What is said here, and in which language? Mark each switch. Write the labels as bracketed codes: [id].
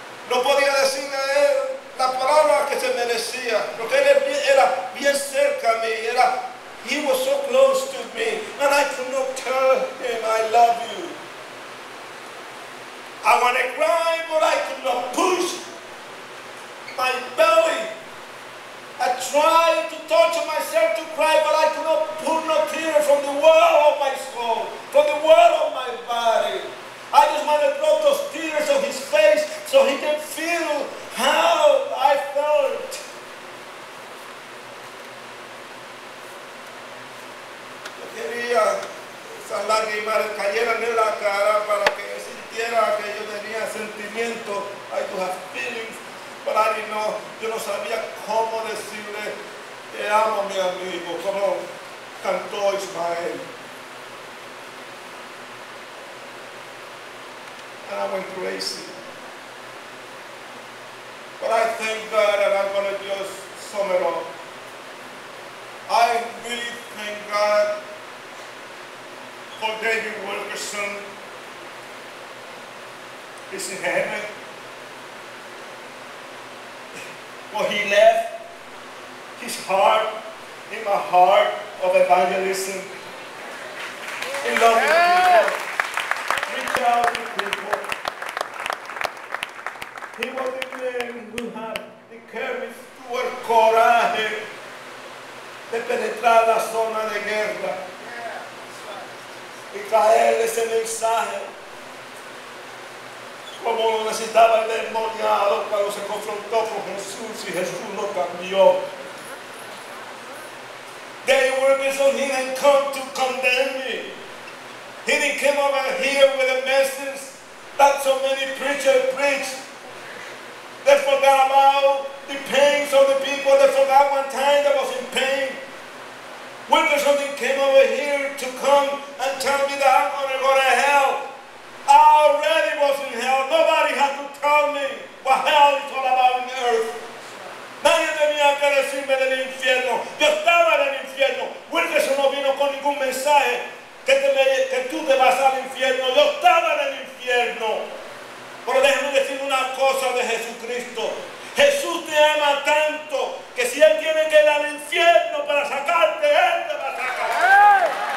[es] No podía decirle a él la palabra que se merecía. Porque él era bien cerca a mí. Era, [en] he was so close to me. And I could not tell him I love you. I want to cry, but I could not push my belly. I tried to torture myself to cry, but I could not put no tear from the well of my soul, from the well of my body. I just wanted to drop those tears on his face so he can feel how I felt. [es] Yo quería esas lágrimas cayeran en la cara para que yo sintiera que yo tenía sentimiento. [en] I do have feelings. But I didn't know, [es] yo no sabía cómo decirle te amo mi amigo, como cantó Ismael. [en] And I went crazy. But I thank God and I'm gonna just sum it up. I really thank God for David Wilkerson. He's in heaven. What he left, his heart, in my heart of evangelism, in loving people, reaching out to people. He was the man who had the courage to work courage. [es] entrar a la zona de guerra y traerle ese mensaje como lo necesitaba el demoniado cuando se confrontó con Jesús y Jesús lo cambió. [en] They were missing, he didn't come to condemn me. He didn't come over here with a message that so many preachers preach. They forgot about the pains of the people. They forgot one time that was in pain. Wilkerson didn't come over here to come and tell me that I'm going to go to hell. I already was in hell. Nobody had to tell me what hell is all about in the earth. [es] Nadie tenía que decirme del infierno. Yo estaba en el infierno. Wilkerson no vino con ningún mensaje que tú te vas al infierno. Yo estaba en el infierno. Pero déjame decir una cosa de Jesucristo. Jesús te ama tanto que si Él tiene que ir al infierno para sacarte, Él te va a sacar.